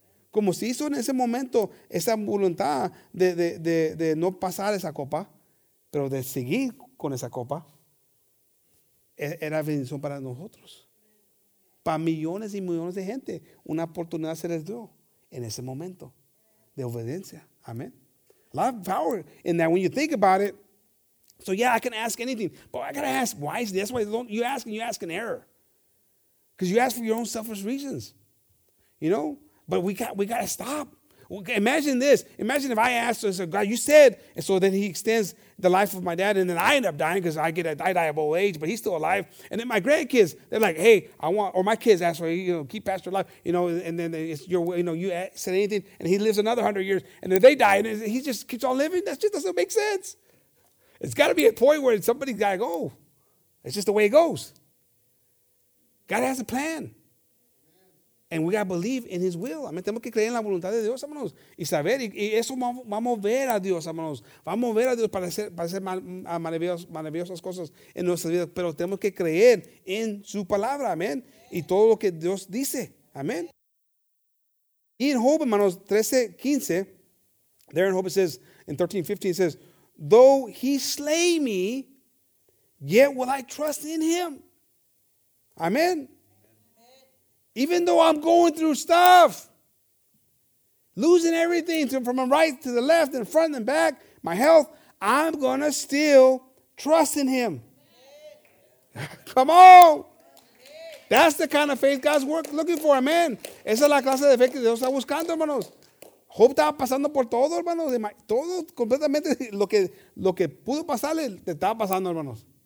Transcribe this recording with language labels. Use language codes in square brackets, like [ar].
[es] Como se hizo en ese momento esa voluntad de no pasar esa copa, pero de seguir con esa copa, era bendición para nosotros. Para millones y millones de gente, una oportunidad se les dio en ese momento de obediencia. Amén. [en] A lot of power in that when you think about it. So yeah, I can ask anything, but I gotta ask, why is this? Why don't you ask? You ask an error, because you ask for your own selfish reasons, you know. But we gotta stop. Imagine this. Imagine if I asked, I said, God, you said, and so then he extends the life of my dad, and then I end up dying because I die of old age, but he's still alive. And then my grandkids, they're like, hey, I want, or my kids ask for, you know, keep pastor alive, you know, and then it's your, you know, you said anything, and he lives another 100 years, and then they die, and he just keeps on living. That just doesn't make sense. It's got to be a point where somebody's got to go. It's just the way it goes. God has a plan. And we got to believe in his will. [es] Amén. Tenemos que creer en la voluntad de Dios, hermanos. Y saber, y eso va a mover a Dios, hermanos. Va a mover a Dios para hacer maravillosas cosas en nuestras vidas. Pero tenemos que creer en su palabra, amén. Y todo lo que Dios dice, amén. Y en Job, hermanos, [en] 13:15, there in Job it says, in 13:15 it says, though he slay me, yet will I trust in him. Amen. Even though I'm going through stuff, losing everything from the right to the left and front and back, my health, I'm going to still trust in him. Come on. That's the kind of faith God's looking for. Amen. [es] Esa es la clase de fe que Dios está buscando, hermanos. Job estaba pasando por todo, hermanos. Todo completamente lo que pudo pasarle, te estaba pasando, hermanos.